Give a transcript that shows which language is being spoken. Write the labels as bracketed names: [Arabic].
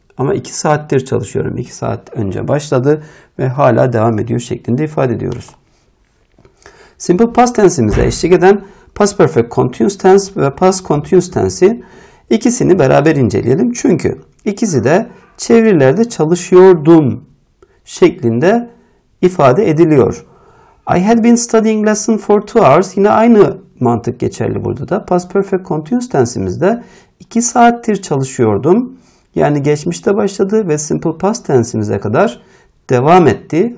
[Turkish] ama 2 saattir çalışıyorum, 2 saat önce başladı ve hala devam ediyor şeklinde ifade ediyoruz. Simple past tense'imize eşlik eden past perfect continuous tense ve past continuous tense'i ikisini beraber inceleyelim. Çünkü ikisi de çevirilerde çalışıyordum şeklinde ifade ediliyor. [English] I had been studying lesson for 2 hours. [Turkish] Yine aynı mantık geçerli burada da. Past perfect continuous tense'imizde 2 saattir çalışıyordum. Yani geçmişte başladı ve simple past tense'imize kadar devam etti.